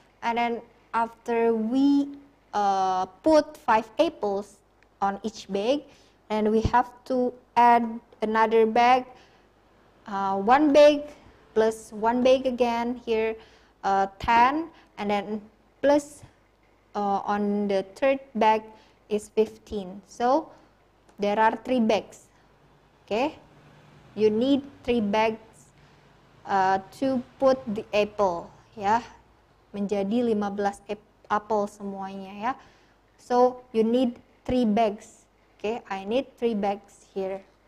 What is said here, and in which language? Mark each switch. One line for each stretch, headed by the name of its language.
English: And then after we put 5 apples on each bag, and we have to add another bag, one bag plus one bag again here, 10. And then plus on the third bag is 15. So there are 3 bags. Okay, you need 3 bags to put the apple.
Indonesian: Yeah, menjadi 15 apple semuanya.
English: Yeah, so you need 3 bags. Okay, I need 3 bags here.